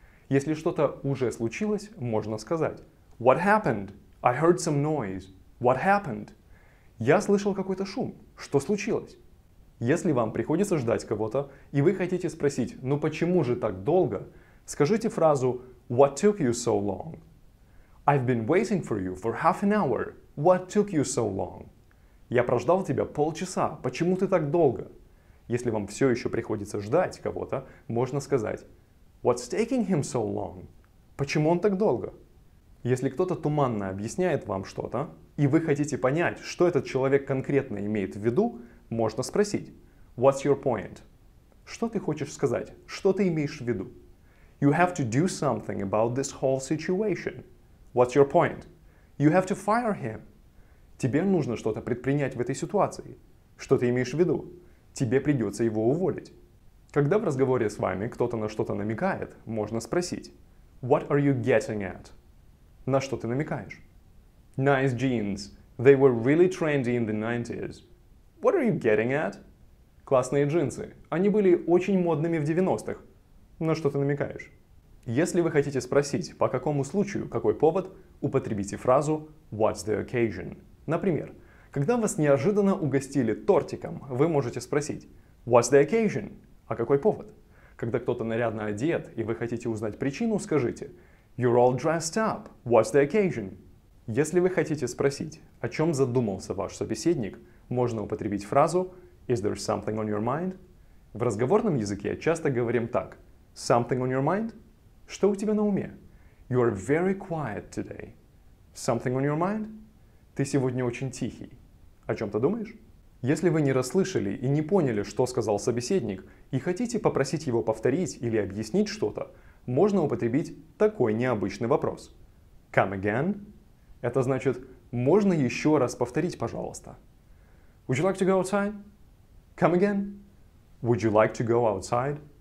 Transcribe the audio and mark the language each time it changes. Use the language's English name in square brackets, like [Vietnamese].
[Russian] Если что-то уже случилось, можно сказать [English] What happened? I heard some noise. What happened? [Russian] Я слышал какой-то шум. Что случилось? Если вам приходится ждать кого-то, и вы хотите спросить, ну почему же так долго, скажите фразу [English] What took you so long? I've been waiting for you for half an hour. What took you so long? [Russian] Я прождал тебя полчаса. Почему ты так долго? Если вам все еще приходится ждать кого-то, можно сказать [English] What's taking him so long? [Russian] Почему он так долго? Если кто-то туманно объясняет вам что-то, и вы хотите понять, что этот человек конкретно имеет в виду, можно спросить [English] What's your point? [Russian] Что ты хочешь сказать? Что ты имеешь в виду? [English] You have to do something about this whole situation. What's your point? You have to fire him. [Russian] Тебе нужно что-то предпринять в этой ситуации. Что ты имеешь в виду? Тебе придется его уволить. Когда в разговоре с вами кто-то на что-то намекает, можно спросить [English] What are you getting at? [Russian] На что ты намекаешь? [English] Nice jeans. They were really trendy in the 90s. What are you getting at? [Russian] Классные джинсы. Они были очень модными в 90-х. На что ты намекаешь? Если вы хотите спросить, по какому случаю, какой повод, употребите фразу [English] What's the occasion? [Russian] Например, когда вас неожиданно угостили тортиком, вы можете спросить [English] What's the occasion? [Russian] А какой повод? Когда кто-то нарядно одет, и вы хотите узнать причину, скажите [English] You're all dressed up. What's the occasion? [Russian] Если вы хотите спросить, о чем задумался ваш собеседник, можно употребить фразу [English] Is there something on your mind? [Russian] В разговорном языке часто говорим так [English] Something on your mind? [Russian] Что у тебя на уме? [English] You are very quiet today. Something on your mind? [Russian] Ты сегодня очень тихий. О чем ты думаешь? Если вы не расслышали и не поняли, что сказал собеседник, и хотите попросить его повторить или объяснить что-то, можно употребить такой необычный вопрос. [English] Come again? [Russian] Это значит, можно еще раз повторить, пожалуйста. [English] Would you like to go outside? Come again? Would you like to go outside?